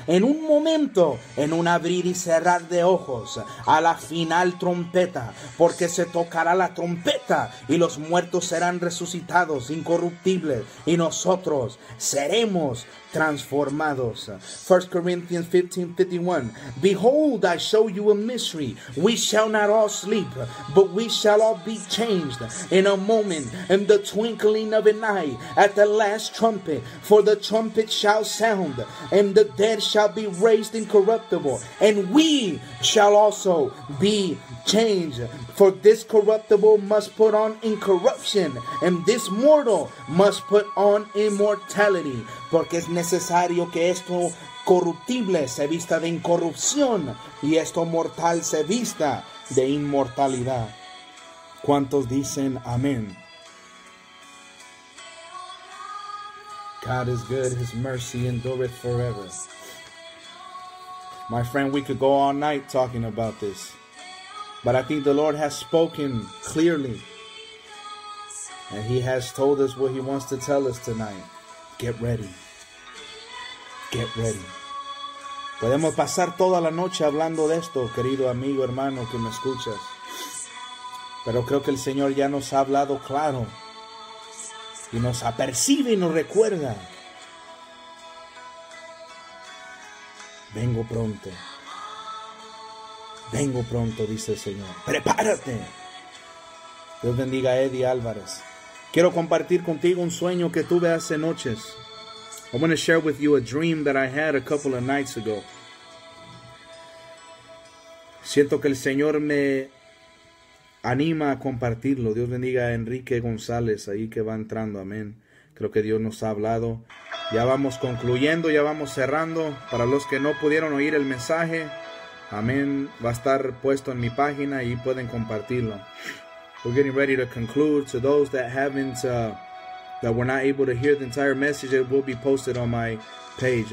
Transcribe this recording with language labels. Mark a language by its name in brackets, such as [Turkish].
[Spanish] En un momento, en un abrir y cerrar de ojos, a la final trompeta, porque se tocará la trompeta y los muertos serán resucitados, incorruptibles, y nosotros seremos transformados. [English] 1 Corinthians 15, 51. Behold, I show you a mystery. We shall not all sleep, but we shall all be changed in a moment, in the twinkling of an eye, at the last trumpet. For the trumpet shall sound, and the dead shall be raised incorruptible, and we shall also be changed. For this corruptible must put on incorruption, and this mortal must put on immortality. [Spanish] Porque es necesario que esto corruptible se vista de incorrupción, y esto mortal se vista de inmortalidad. ¿Cuántos dicen amén? [English] God is good, his mercy endureth forever. My friend, we could go all night talking about this, but I think the Lord has spoken clearly, and he has told us what he wants to tell us tonight. Get ready. Get ready. [Spanish] Podemos pasar toda la noche hablando de esto, querido amigo, hermano, que me escuchas. Pero creo que el Señor ya nos ha hablado claro. Y nos apercibe y nos recuerda. Vengo pronto. Vengo pronto, dice el Señor. Prepárate. Dios bendiga a Eddie Álvarez. Quiero compartir contigo un sueño que tuve hace noches. [English] I want to share with you a dream that I had a couple of nights ago. [Spanish] Siento que el Señor me anima a compartirlo. Dios bendiga a Enrique González, ahí que va entrando, amén. Creo que Dios nos ha hablado. Ya vamos concluyendo, ya vamos cerrando. Para los que no pudieron oír el mensaje, amén, va a estar puesto en mi página y pueden compartirlo. [English] We're getting ready to conclude. To those that haven't... That we're not able to hear the entire message, it will be posted on my page.